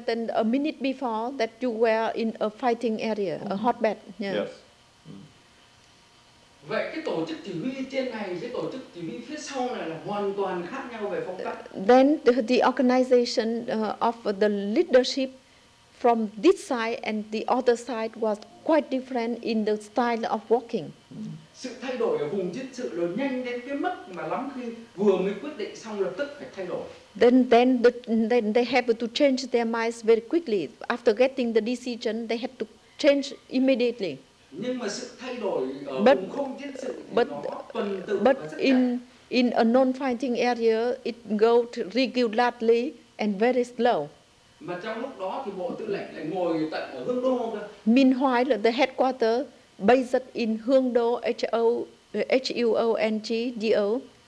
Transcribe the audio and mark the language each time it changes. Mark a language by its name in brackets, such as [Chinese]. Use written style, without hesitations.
[English] Then a minute before that, you were in a fighting area, a hotbed. Yeah. Yes. [Vietnamese] Vậy cái tổ chức chỉ huy trên này với tổ chức chỉ huy phía sau này là hoàn toàn khác nhau về phong cách. [English] Then the organization of the leadership from this side and the other side was quite different in the style of working. [Vietnamese] Sự thay đổi ở vùng chiến sự là nhanh đến cái mức mà lắm khi vừa mới quyết định xong lập tức phải thay đổi. [English] Then they have to change their minds very quickly. After getting the decision, they had to change immediately. [Vietnamese] Nhưng mà sự thay đổi ở vùng không chiến sự [English] but in a non-fighting area, it goes regularly and very slow. [Vietnamese] Mà trong lúc đó thì Bộ Tư lệnh lại ngồi tận ở Hương Đô. [English] Meanwhile, the headquarters based in Hương Đô, HUONGDO.